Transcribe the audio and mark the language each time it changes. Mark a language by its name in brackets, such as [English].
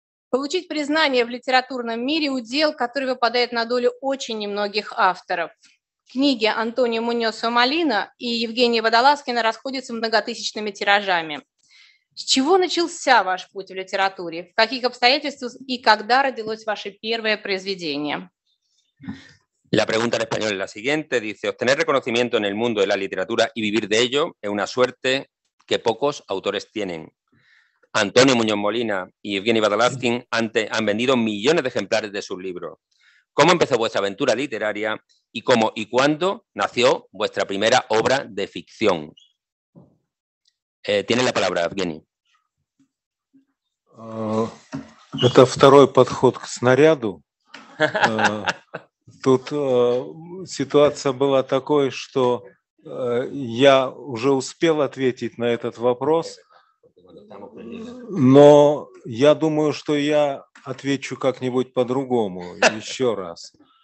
[Russian] Получить признание в литературном мире – удел, который выпадает на долю очень немногих авторов. Книги Антонио Муньоса Малина и Евгения Водолазкина расходятся многотысячными тиражами. С чего начался ваш путь в литературе? В каких обстоятельствах и когда родилось ваше первое произведение? [Spanish] La pregunta en español es la siguiente. Dice, obtener reconocimiento en el mundo de la literatura y vivir de ello es una suerte que pocos autores tienen. Antonio Muñoz Molina y Evgeny Badalaskin han vendido millones de ejemplares de sus libros. ¿Cómo empezó vuestra aventura literaria y cómo y cuándo nació vuestra primera obra de ficción? Tiene la palabra Evgeny. [Russian] Это второй подход к снаряду. Тут ситуация была такой, что я уже успел ответить на этот вопрос, но я думаю, что я отвечу как-нибудь по-другому еще раз.